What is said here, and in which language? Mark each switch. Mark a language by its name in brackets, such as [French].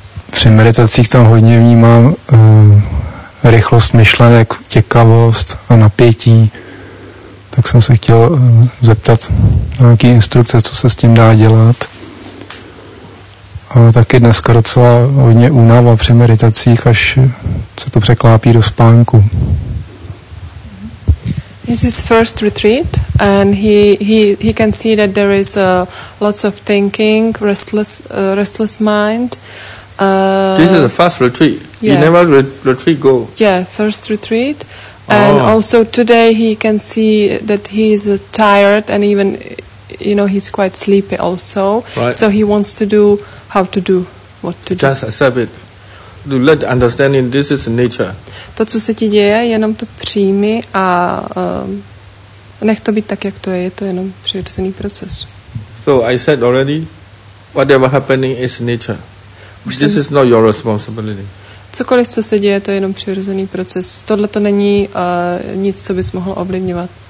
[Czech] Při meditacích tam hodně vnímám rychlost myšlenek, těkavost a napětí. Tak jsem se chtěl zeptat na nějaké instrukce, co se s tím dá dělat. Taky dneska docela hodně únava při meditacích, až se to překlápí do spánku. [English] This is first retreat and he can see that there is lots of thinking, restless mind. This is a fast retreat. Yeah. He never retreat go. Yeah, first retreat. And also today he can see that he is tired and even, you know, he's quite sleepy also. Right. So he wants to do how to do, what to just Just accept it. Let understanding this is nature. [Czech] To, co se ti děje, jenom to přijmi a nech to být tak, jak to je. Je to jenom přirozený proces. [English] So I said already, whatever happening is nature. This is not your responsibility. [Czech] Cokoliv, co se děje, to je jenom přirozený proces. Tohle to není nic, co bys mohl ovlivňovat.